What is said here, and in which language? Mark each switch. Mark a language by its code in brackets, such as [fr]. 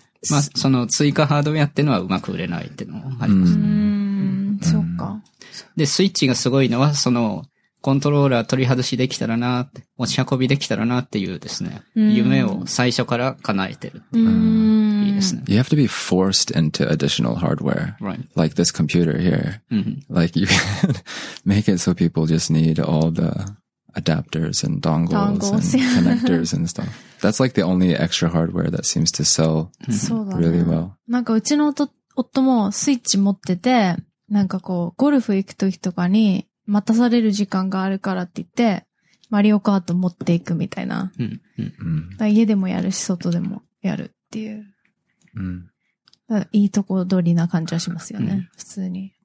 [ja] まあ、その追加ハードウェアっていうのはうまく売れないっていうのもありますね。そうか。で、スイッチがすごいのは、その、コントローラー取り外しできたらな、持ち運びできたらなっていうですね、夢を最初から叶えてるっていう。いいですね。 [en] You have to be forced into additional hardware. Right. Like this computer here. Like you can make it so people just need all the adapters and dongles and connectors and stuff. That's like the only extra hardware that seems to sell really well. [ja] なんかうちの夫もスイッチ持ってて、なんかこうゴルフ行く時とかに待たされる時間があるからって言って、マリオカート持っていくみたいな。家でもやるし外でもやるっていう。いいとこ取りな感じはしますよね、普通に。